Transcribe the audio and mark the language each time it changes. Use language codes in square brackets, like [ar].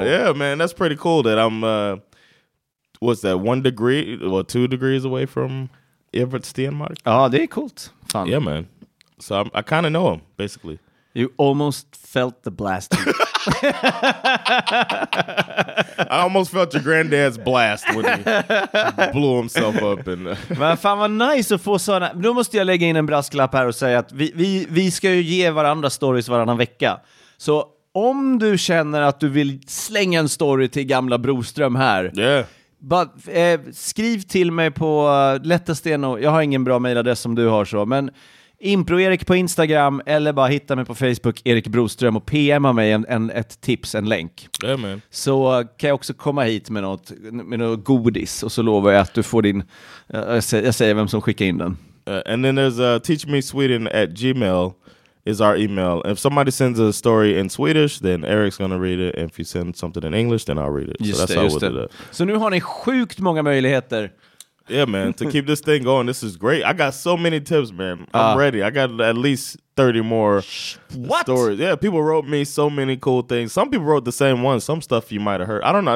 [en] So, yeah, man, that's pretty cool that I'm... Was that 1 degree or well, 2 degrees away from Evert Stenmark? Oh, they're cool. Yeah, man. So I kind of know him, basically. You almost felt the blast. I almost felt your granddad's blast when he blew himself up. And [sv] men fan vad nice att få sådana. Nu måste jag lägga in en brasklapp här och säga att vi ska ju ge varandra stories varannan vecka. Så om du känner att du vill slänga en story till gamla Broström här. [en] Yeah. [sv] But, skriv till mig på Lättesteno. Jag har ingen bra mailadress som du har så. Men Impro Erik på Instagram eller bara hitta mig på Facebook Erik Broström och PMa mig ett tips, en länk. [en] Yeah, man. [sv] Så kan jag också komma hit med något, godis och så lovar jag att du får din... jag säger vem som skickar in den. [en] And then there's teachmesweden@gmail is our email. If somebody sends a story in Swedish, then Eric's gonna read it. And if you send something in English, then I'll read it. Just so that's how we'll do that. [sv] So nu har ni sjukt många möjligheter. [en] Yeah, man. To keep this thing going, this is great. I got so many tips, man. I'm ready. I got at least 30 more stories. Yeah, people wrote me so many cool things. Some people wrote the same ones. Some stuff you might have heard. I don't know.